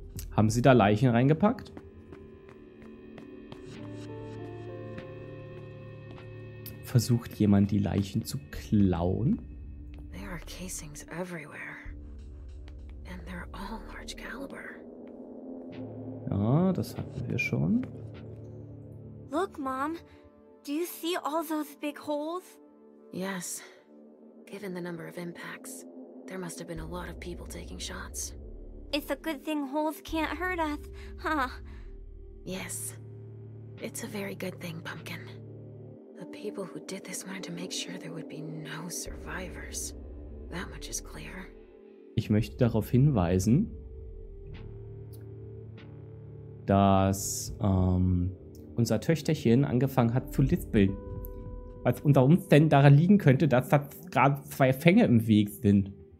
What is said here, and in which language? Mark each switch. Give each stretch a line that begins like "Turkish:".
German: Haben Sie da Leichen reingepackt? Versucht jemand, die Leichen zu klauen?
English: There are casings everywhere. And they're all large caliber.
German: Ja, das hatten wir schon.
English: Look, Mom. Do you see all those big holes? Yes. Given the number of impacts, there must have been a lot of people taking shots. It's a good thing holes can't hurt us, huh? Yes. It's a very good thing, Pumpkin. The people who did this wanted to make sure there would be no survivors. That much is clear.
German: Ich möchte darauf hinweisen, dass, unser Töchterchen angefangen hat zu lispeln. Was unter Umständen daran liegen könnte, dass da gerade zwei Fänge im Weg sind.